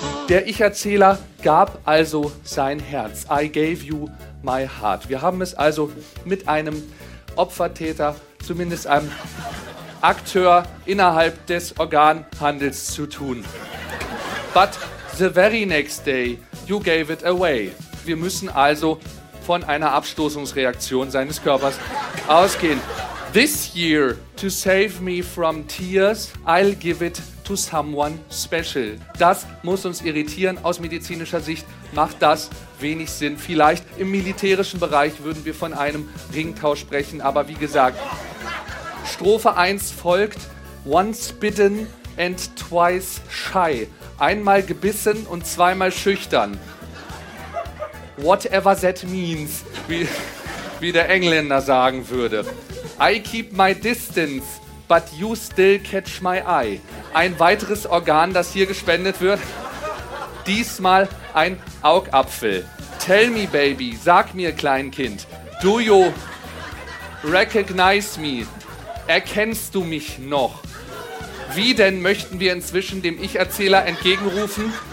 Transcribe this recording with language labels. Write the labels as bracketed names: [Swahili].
[German] Der Ich-Erzähler gab also sein Herz. [English] I gave you my heart. [German] Wir haben es also mit einem Opfertäter, zumindest einem Akteur innerhalb des Organhandels zu tun. [English] But the very next day, you gave it away. [German] Wir müssen also von einer Abstoßungsreaktion seines Körpers ausgehen. [English] This year, to save me from tears, I'll give it to someone special. [German] Das muss uns irritieren. Aus medizinischer Sicht macht das wenig Sinn. Vielleicht im militärischen Bereich würden wir von einem Ringtausch sprechen, aber wie gesagt, Strophe 1 folgt: [English] Once bitten and twice shy. [German] Einmal gebissen und zweimal schüchtern. [English] Whatever that means, [German] wie der Engländer sagen würde. [English] I keep my distance, but you still catch my eye. [German] Ein weiteres Organ, das hier gespendet wird. Diesmal ein Augapfel. [English] Tell me, baby, [German] sag mir, Kleinkind, [English] do you recognize me? [German] Erkennst du mich noch? Wie denn möchten wir inzwischen dem Ich-Erzähler entgegenrufen?